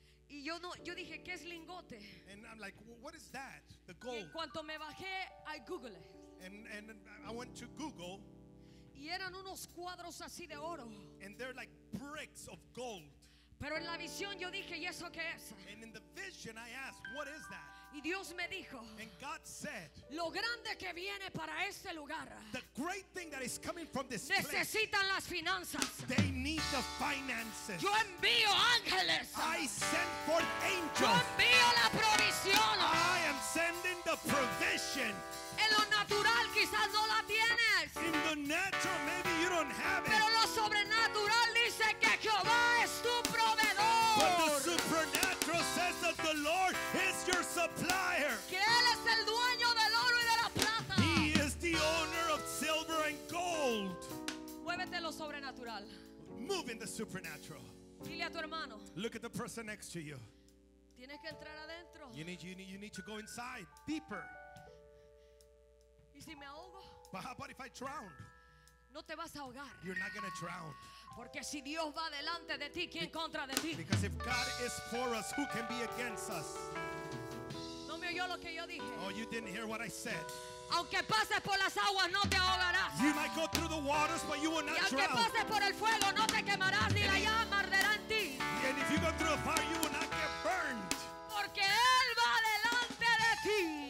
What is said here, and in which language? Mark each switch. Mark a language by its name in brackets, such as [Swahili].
[Spanish] Y yo no, yo dije, ¿qué es lingote? [English] And I'm like, what is that? The gold. [Spanish] Y en cuanto me bajé, [English] I googled. And I went to Google. [Spanish] Y eran unos cuadros así de oro. [English] And they're like bricks of gold. [Spanish] Pero en la visión yo dije, ¿y eso qué es? [English] And in the vision I asked, what is that? [Spanish] Y Dios me dijo, [English] and God said, [Spanish] lo grande que viene para este lugar, [English] the great thing that is coming from this [Spanish] necesitan [English] place, [Spanish] las finanzas. [English] They need the finances. [Spanish] Yo envío ángeles. [English] I send forth angels. [Spanish] Yo envío la provisión. [English] I am sending the provision. [Spanish] En lo natural quizás no la tienes. [English] In the natural maybe you don't have it. [Spanish] Pero lo sobrenatural dice que Jehová es tu proveedor. [English] But the supernatural says that the Lord is your supplier. [Spanish] Que él es el dueño del oro y de la plata. [English] He is the owner of silver and gold. [Spanish] Muévete lo sobrenatural. [English] Move in the supernatural. [Spanish] Dile a tu hermano. [English] Look at the person next to you. [Spanish] Tienes que entrar adentro. [English] You need to go inside deeper. [Spanish] ¿Y si me ahogo? [English] But how about if I drown? [Spanish] No te vas a ahogar. [English] You're not going to drown. [Spanish] Porque si Dios va delante de ti, ¿quién contra de ti? [English] Because if God is for us, who can be against us? [Spanish] No me oyó lo que yo dije. [English] Oh, you didn't hear what I said. [Spanish] Aunque pases por las aguas, no te ahogarás. [English] You might go through the waters, but you will not drown. [Spanish] Y aunque pases por el fuego, no te quemarás, ni la llama arderá en ti. [English] And if you go through the fire, you will not get burned. [Spanish] Porque Él va delante de ti.